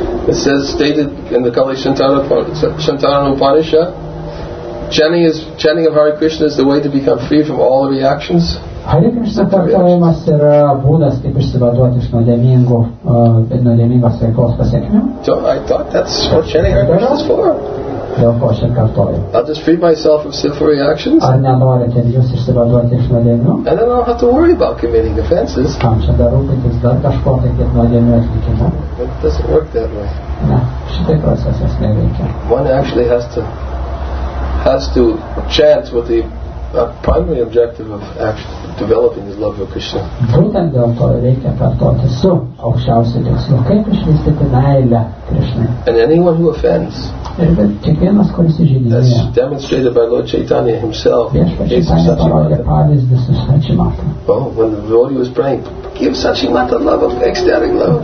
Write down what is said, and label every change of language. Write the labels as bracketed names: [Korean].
[English] It says, stated in the Kali Shantaran Upanishad, chanting of Hare Krishna is the way to become free from all the reactions. [Lithuanian] Hare Krishna kartojimas yra būdas kaip išsivaduoti iš nuodėmingų nuodėmingos veiklos pasekmių. [English] So I thought that's what chanting Hare Krishna is for. [Lithuanian] Dėl ko aš ir kartoju. [English] I'll just free myself of sinful reactions. [Lithuanian] Ar nenorite jūs išsivaduoti iš nuodėmių? [English] And then I don't have to worry about committing offenses. [Lithuanian] Kam čia dar rūpintis dar kažko tai nuodėmių atlikimą? [English] It doesn't work that way. [Lithuanian] Ne, šitai procesas neveikia. [English] One actually has to chant with the primary objective of actually developing his love for Krishna. [Lithuanian] Būtent dėl to reikia kartoti su aukščiausiu tikslu, kaip išvystyti meilę Krishnai. [English] And anyone who offends, [Lithuanian] kiekvienas, kuris įžeidinėja, [English] that's demonstrated by Lord Chaitanya himself. Oh, when the devotee was praying, give Sachimata love of ecstatic love.